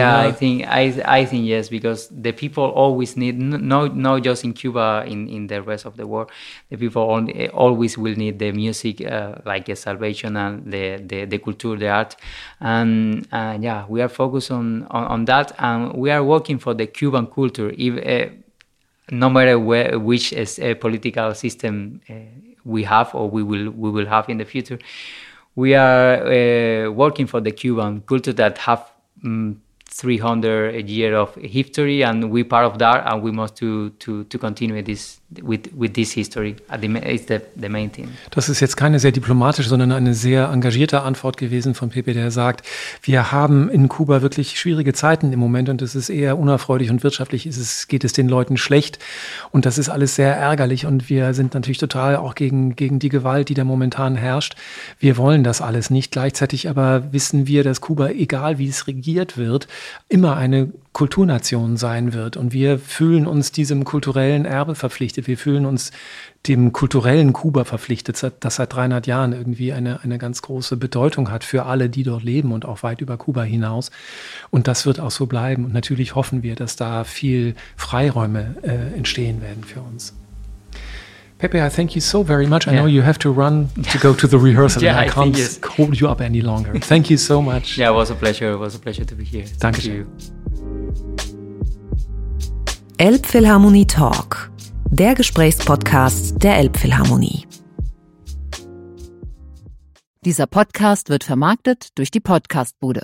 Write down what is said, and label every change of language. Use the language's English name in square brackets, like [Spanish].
[English] I think yes, because the people always need, not just in Cuba, in the rest of the world, the people always will need the music like a salvation, and the culture, the art, and we are focused on that, and we are working for the Cuban culture, no matter which political system we have or we will have in the future. We are working for the Cuban culture that have 300 year of history, and we part of that, and we must to continue this with this history. It's the main thing. [German] Das ist jetzt keine sehr diplomatische, sondern eine sehr engagierte Antwort gewesen von Pepe, der sagt, wir haben in Kuba wirklich schwierige Zeiten im Moment und es ist eher unerfreulich und wirtschaftlich geht es den Leuten schlecht und das ist alles sehr ärgerlich und wir sind natürlich total auch gegen die Gewalt, die da momentan herrscht. Wir wollen das alles nicht. Gleichzeitig aber wissen wir, dass Kuba, egal wie es regiert wird, immer eine Kulturnation sein wird. Und wir fühlen uns diesem kulturellen Erbe verpflichtet. Wir fühlen uns dem kulturellen Kuba verpflichtet, das seit 300 Jahren irgendwie eine ganz große Bedeutung hat für alle, die dort leben und auch weit über Kuba hinaus. Und das wird auch so bleiben. Und natürlich hoffen wir, dass da viel Freiräume entstehen werden für uns. [English] Pepe, I thank you so very much. I know you have to run to go to the rehearsal. Yeah, and I can't hold you up any longer. Thank you so much. Yeah, it was a pleasure. It was a pleasure to be here. [German] Danke schön. Elbphilharmonie Talk, der Gesprächspodcast der Elbphilharmonie. Dieser Podcast wird vermarktet durch die Podcastbude.